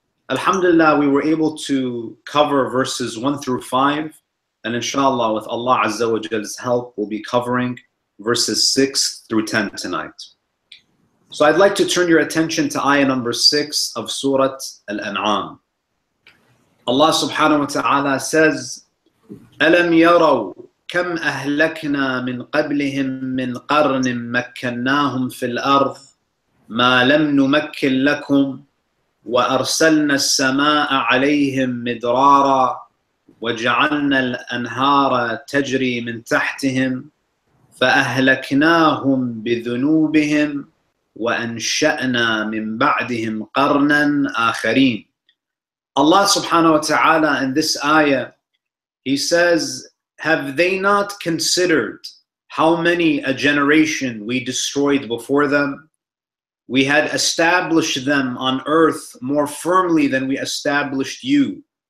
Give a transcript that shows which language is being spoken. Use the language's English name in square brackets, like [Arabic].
[English] Alhamdulillah, we were able to cover verses 1-5, and inshallah, with Allah Azza wa Jalla's help, we'll be covering verses 6-10 tonight. So I'd like to turn your attention to ayah number 6 of Surah Al-An'am. Allah subhanahu wa ta'ala says, [Arabic] أَلَمْ يَرَوْا كَمْ أَهْلَكْنَا مِنْ قَبْلِهِمْ مِنْ قَرْنٍ مَكَّنَّاهُمْ فِي الْأَرْضِ مَا لَمْ نُمَكِّنْ لَكُمْ وَأَرْسَلْنَا السَّمَاءَ عَلَيْهِمْ مِدْرَارًا وَجَعَلْنَا الْأَنْهَارَ تَجْرِي مِنْ تَحْتِهِمْ فَأَهْلَكْنَاهُمْ بِذُنُوبِهِمْ وَأَنْشَأْنَا مِنْ بَعْدِهِمْ قَرْنًا آخَرِينَ. [English] Allah subhanahu wa ta'ala in this ayah, He says, have they not considered how many a generation we destroyed before them? We had established them on earth more firmly than we established you.